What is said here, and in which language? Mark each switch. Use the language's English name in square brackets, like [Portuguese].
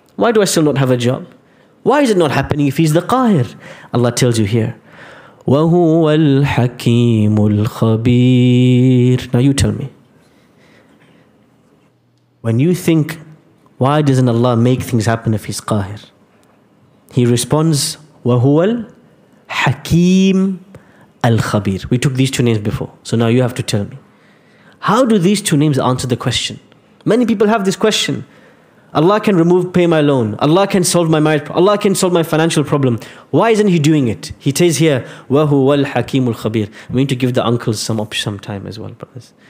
[English] Why do I still not have a job? Why is it not happening if he's the qahir? Allah tells you here. [Arabic] وَهُوَ الْحَكِيمُ الْخَبِيرُ. [English] Now you tell me. When you think, why doesn't Allah make things happen if he's qahir? He responds, [Arabic] وَهُوَ الْحَكِيمُ الْخَبِيرُ. [English] We took these two names before. So now you have to tell me. How do these two names answer the question? Many people have this question. Allah can remove, pay my loan. Allah can solve my marriage. Allah can solve my financial problem. Why isn't He doing it? He says here, [Arabic] وَهُوَ الْحَكِيمُ الْخَبِيرُ. [English] We need to give the uncles some time as well, brothers.